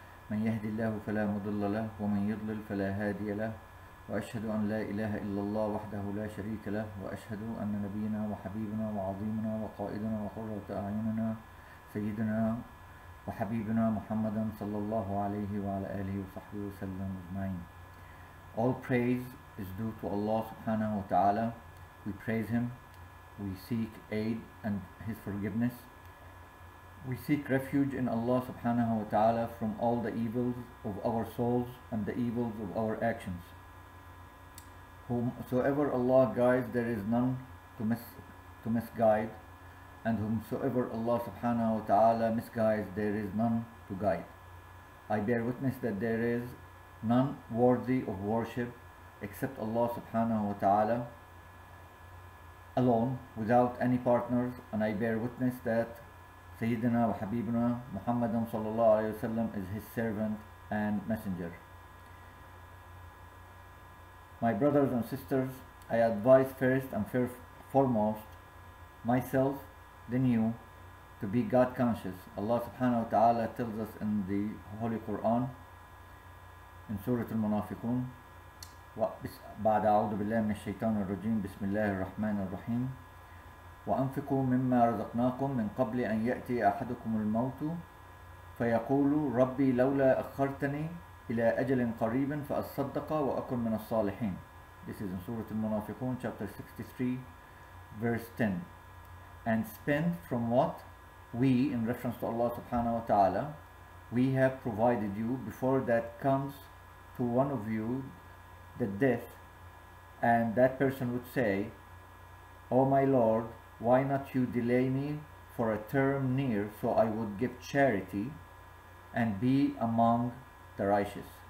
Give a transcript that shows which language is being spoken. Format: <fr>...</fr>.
<ar>من يهدي الله فلا مضل له ومن يضلل فلا هادي له. وأشهد أن لا إله إلا الله وحده لا شريك له، وأشهد أن نبينا وحبيبنا وعظيمنا وقائدنا وقرة أعيننا سيدنا وحبيبنا محمدا صلى الله عليه وعلى آله وصحبه وسلم أجمعين.</ar> <en>All praise is due to Allah subhanahu wa ta'ala. We praise Him. We seek aid and His forgiveness. We seek refuge in Allah subhanahu wa ta'ala from all the evils of our souls and the evils of our actions. Whomsoever Allah guides, there is none to misguide. And whomsoever Allah subhanahu wa ta'ala misguides, there is none to guide. I bear witness that there is none worthy of worship except Allah subhanahu wa ta'ala alone, without any partners. And I bear witness that Sayyidina wa Habibina Muhammadan sallallahu alayhi wa sallam is his servant and messenger. My brothers and sisters, I advise first and foremost myself, then you, to be God conscious. Allah subhanahu wa ta'ala tells us in the Holy Quran, in Surah Al-Munafiqun,</en> <ar>بعد أعوذ بالله من الشيطان الرجيم بسم الله الرحمن الرحيم وأنفقوا مما رزقناكم من قبل أن يأتي أحدكم الموت فيقول ربي لولا أخرتني إلى أجل قريب فأصدق وأكن من الصالحين.</ar> <en>This is in Surah Al-Munafiqun chapter 63 verse 10. And spend from what we, in reference to Allah subhanahu wa ta'ala, we have provided you before that comes to one of you the death, and that person would say, oh my Lord, why not you delay me for a term near so I would give charity and be among the righteous.</en>